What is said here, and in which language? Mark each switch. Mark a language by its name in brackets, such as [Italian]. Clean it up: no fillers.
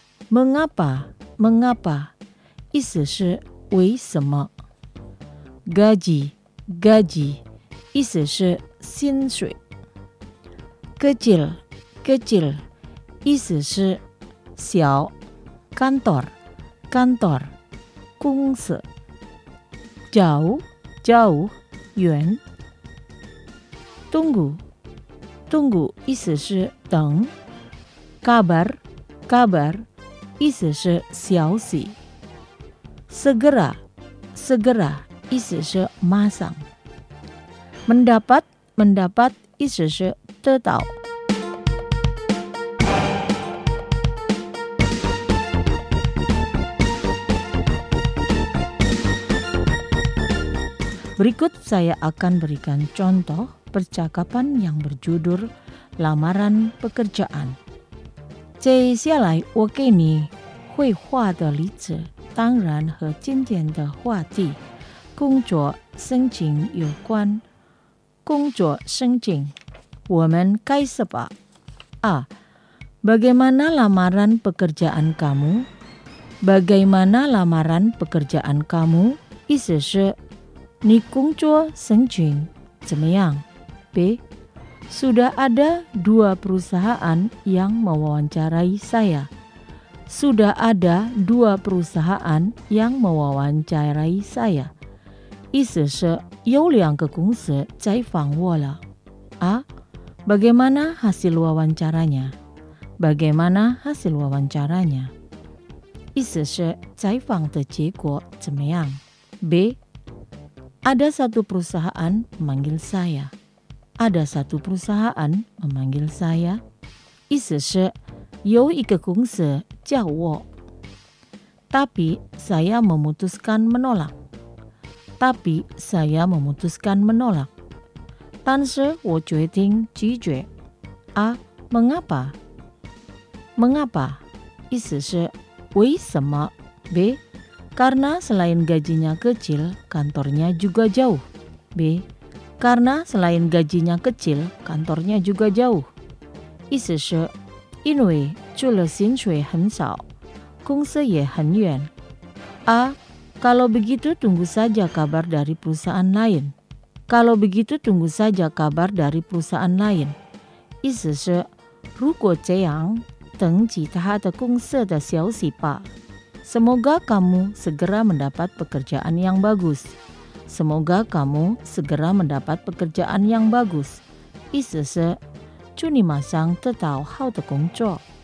[Chinese] Mengapa, mengapa, 意思是为什么。 Gaji, gaji, 意思是薪水。 Kecil, kecil, 意思是小。 Kantor, kantor, 公司。 Jauh, jauh, 远。 Tunggu,Tunggu, 意思是等。 Kabar, kabar, 意思是消息。 Segera, segera, 意思是马上。 Mendapat, mendapat, 意思是得到。 [Indonesian] Berikut saya akan berikan contoh percakapan yang berjudul Lamaran Pekerjaan. [Chinese] 接下来我给你绘画的例子，当然和今天的话题工作申请有关。工作申请，我们开始吧。A. [Indonesian] Bagaimana lamaran pekerjaan kamu? Bagaimana lamaran pekerjaan kamu? [Chinese] 意思是你工作申请怎么样？ B. [Indonesian] Sudah ada dua perusahaan yang mewawancarai saya. Sudah ada dua perusahaan yang mewawancarai saya. [Chinese] 意思是有两个公司采访我了。 [Indonesian] A. Bagaimana hasil wawancaranya? Bagaimana hasil wawancaranya? [Chinese] 意思是采访的结果怎么样。 B. [Indonesian] Ada satu perusahaan memanggil saya. Ada satu perusahaan memanggil saya. [Chinese] 意思是有一个公司叫我。 [Indonesian] Tapi saya memutuskan menolak. Tapi saya memutuskan menolak. [Chinese] 但是我决定拒绝。A. [Indonesian] Mengapa? Mengapa? [Chinese] 意思是为什么。B. [Indonesian] Karena selain gajinya kecil, kantornya juga jauh. B. Karena selain gajinya kecil, kantornya juga jauh. [Chinese] 意思是因为除了薪水很少，公司也很远。A. [Indonesian] Kalau begitu tunggu saja kabar dari perusahaan lain. Kalau begitu tunggu saja kabar dari perusahaan lain. [Chinese] 意思是，如果这样，等其他的公司的消息吧。 [Indonesian] Semoga kamu segera mendapat pekerjaan yang bagus. Semoga kamu segera mendapat pekerjaan yang bagus. [Chinese] 意思是，祝你马上得到好的工作。